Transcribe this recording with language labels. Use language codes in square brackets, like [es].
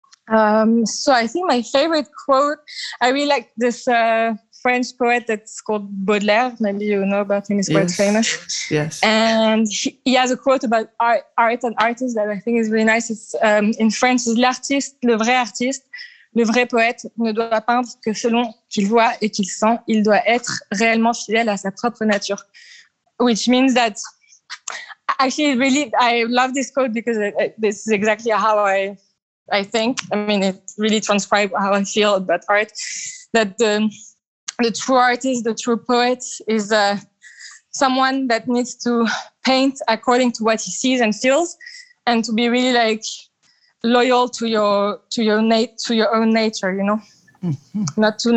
[en] So I think my favorite quote, I really like this French poet that's called Baudelaire. Maybe you know about him. He's quite famous. Yes. And he has a quote about art and artists that I think is really nice. It's in French, it's [fr] l'artiste, le vrai artiste. Le vrai poète ne doit peindre que selon qu'il voit et qu'il sent. Il doit être réellement fidèle à sa propre nature. [en] Which means that, actually, really, I love this quote because this is exactly how I think. I mean, it really transcribes how I feel about art. That the true artist, the true poet, is someone that needs to paint according to what he sees and feels, and to be really like loyal to your own nature, you know. Mm-hmm.